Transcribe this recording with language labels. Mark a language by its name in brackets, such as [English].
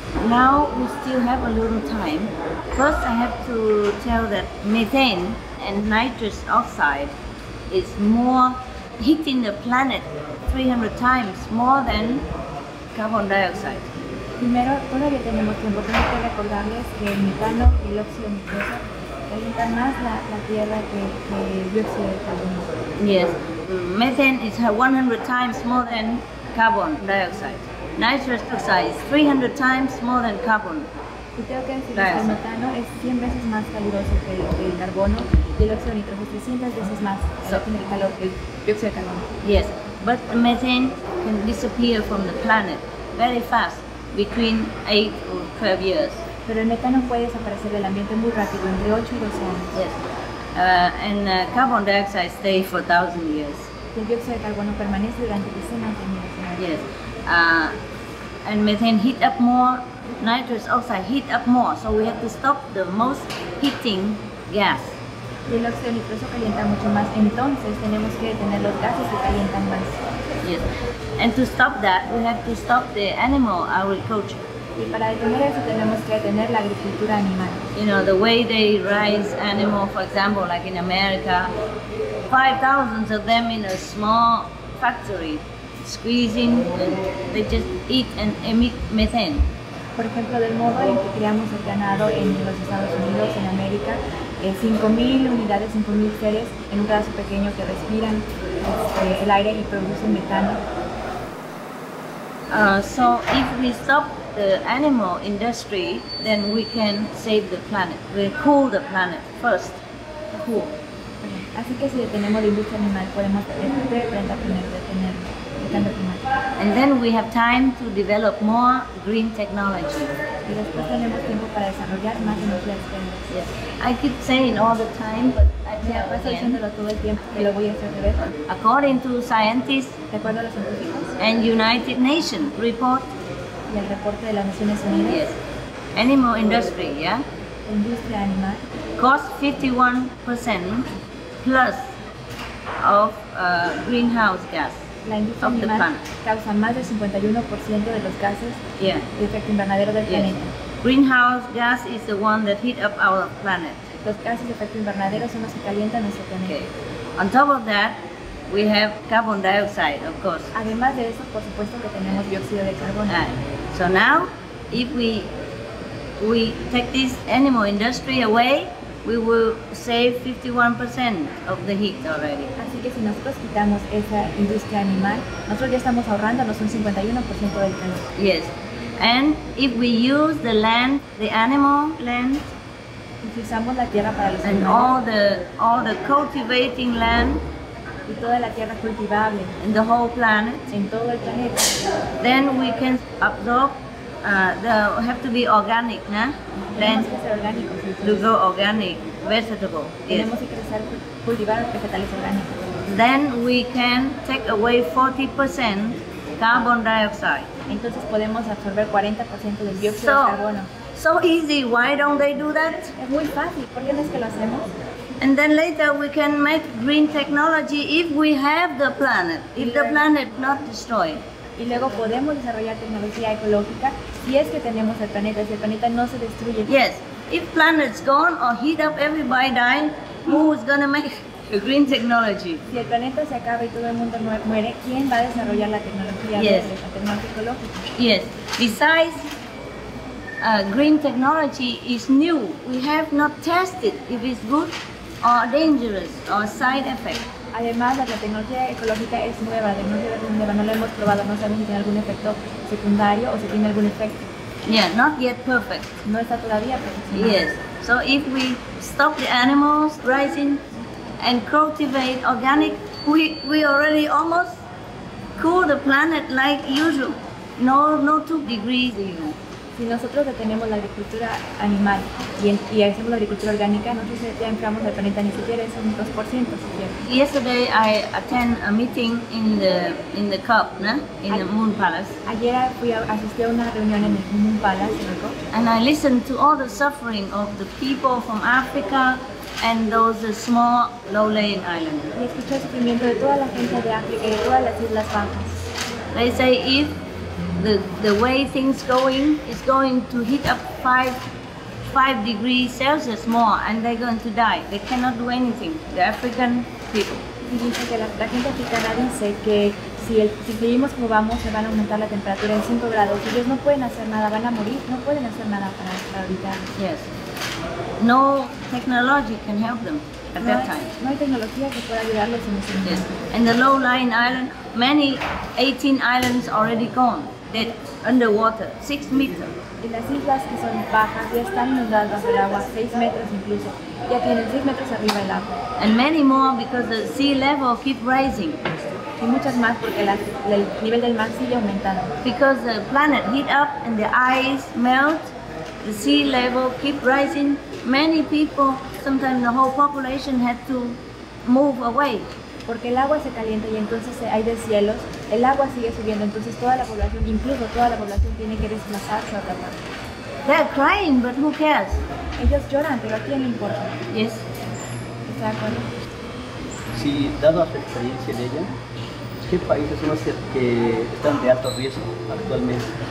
[English] Now we still have a little time. First, I have to tell that methane and nitrous oxide is more hitting the planet 300 times more than carbon dioxide. [Spanish] Primero, todavía tenemos tiempo. Tengo que recordarles que el metano y el óxido nitroso calientan más la Tierra que el dióxido de carbono. [English] Yes, methane is 100 times more than carbon dioxide. Nitrous oxide is 300 times more than carbon. [Spanish] Y tengo que decir que el metano es 100 veces más caluroso que el carbono y el óxido nitroso es 300 veces más el calor que el dióxido de carbono. [English] Yes, but the methane can disappear from the planet very fast, between 8 or 12 years. [Spanish] Pero el metano puede desaparecer del ambiente muy rápido, entre 8 y 12 años. [English] Yes, and carbon dioxide stays for 1,000 years. [Spanish] El dióxido de carbono permanece durante decenas de miles de años. [English] Yes. And methane heat up more, nitrous oxide heat up more, so we have to stop the most heating gas. [Spanish] Y el óxido nitroso calienta mucho más, entonces tenemos que detener los gases que calientan más. [English] Yes, and to stop that, we have to stop the animal agriculture. [Spanish] Y para detener eso tenemos que detener la agricultura animal. [English] You know, the way they raise animals, for example, like in America, 5,000 of them in a small factory, squeezing, and they just eat and emit methane. [Spanish] Por ejemplo, del modo en que criamos el ganado en los Estados Unidos, en América, 5,000 unidades, 5,000 seres en un pedazo pequeño que respiran el aire y producen metano. [English] So if we stop the animal industry, then we can save the planet. We cool the planet first. Cool. [Spanish] Así que si detenemos la industria animal, podemos detener el planeta primero. [English] And then we have time to develop more green technology. [Spanish] Y después tenemos tiempo para desarrollar más energías verdes. [English] I keep saying all the time, but I keep [Spanish] diciéndolo todo el tiempo, que lo voy a hacer de vez. [English] According to scientists, [Spanish] de acuerdo a los científicos, [English] and United Nations report, [Spanish] y el reporte de las Naciones Unidas, [English] yes. Animal industry, yeah, [Spanish] industria animal, [English] cost 51% plus of greenhouse gas. [Spanish] La industria [English] of animal the [Spanish] causa más del 51% de los gases de efecto invernadero del planeta. [English] Greenhouse gas is the one that heat up our planet. [Spanish] Los gases de efecto invernadero son los que calientan nuestro planeta. [English] Okay. On top of that, we have carbon dioxide, of course. [Spanish] Además de eso, por supuesto que tenemos dióxido de carbono. [English] So now, if we take this animal industry away, we will save 51% of the heat already. [Spanish] Así que si nosotros quitamos esa industria animal, nosotros ya estamos ahorrándonos un 51% del calor. [English] Yes. And if we use the land, the animal land, [Spanish] utilizamos la tierra para los animales, [English] and all the cultivating land, [Spanish] y toda la tierra cultivable, [English] in the whole planet, [Spanish] en todo el planeta, [English] then we can absorb. They have to be organic, huh? Plants [Spanish] que ser orgánico, sí, [English] to go organic, vegetable. [Spanish] Tenemos que crecer, cultivar vegetales orgánicos. [English] Then we can take away 40% carbon dioxide. [Spanish] Entonces podemos absorber 40% del dióxido [English] so, [Spanish] de carbono. [English] So easy, why don't they do that? [Spanish] Es muy fácil, ¿por qué no es que lo hacemos? [English] And then later we can make green technology if we have the planet, if the planet not destroyed. [Spanish] Y luego podemos desarrollar tecnología ecológica si es que tenemos el planeta, si el planeta no se destruye. [English] Yes, if planet's gone or heat up everybody dying, who's gonna make the green technology? [Spanish] Si el planeta se acaba y todo el mundo muere, ¿quién va a desarrollar la tecnología ecológica? [English] Yes, besides green technology is new. We have not tested if it's good or dangerous or side effect. [Spanish] Además, la tecnología ecológica es nueva, de nuevo es nueva, no la hemos probado, no sabemos si tiene algún efecto secundario o si tiene algún efecto. [English] Yeah, not yet perfect. [Spanish] No está todavía perfecto. [English] Yes. So if we stop the animals rising and cultivate organic, we already almost cool the planet like usual. No 2 degrees even. [Spanish] Si si nosotros detenemos la agricultura animal y hacemos la agricultura orgánica, nosotros ya enfriamos el planeta ni siquiera es un 2%. [English] Yesterday I attend a meeting in the COP, no? In the Moon Palace. [Spanish] Ayer asistí a una reunión en el Moon Palace, ¿no? [English] And I listened to all the suffering of the people from Africa and those small low-lying islands. [Spanish] Y escuché el sufrimiento de toda la gente de África y de todas las islas bajas. [English] They say if the way things going is going to hit up 5 degrees Celsius more and they're going to die. They cannot do anything. The African people. [Spanish] Dice que la gente africana dice que si seguimos como vamos se van a aumentar la temperatura en 5 grados. Ellos no pueden hacer nada. Van a morir. No pueden hacer nada para ahorita. [English] Yes. No technology can help them. At that time. [Spanish] No hay tecnología que pueda ayudarlos en ese momento. [English] Yes. And the low-lying island, many 18 islands already gone, dead, underwater, 6 meters. [Spanish] Y las islas que son bajas ya están inundadas bajo el agua, 6 metros incluso. Ya tienen 6 metros arriba el agua. [English] And many more because the sea level keep rising. [Spanish] Y muchas más porque el nivel del mar sigue aumentando. [English] Because the planet heat up and the ice melt, the sea level keep rising, many people, sometimes the whole population had to move away. [Spanish] Porque el agua se calienta y entonces hay deshielos, el agua sigue subiendo, entonces toda la población, incluso toda la población tiene que desplazarse a otra parte. [English] They're crying, but who cares? [Spanish] Ellos lloran, pero a quién le importa. [English] Yes. [Spanish] ¿Está de acuerdo? Sí, dado su experiencia de ella, ¿qué países son los que están de alto riesgo actualmente?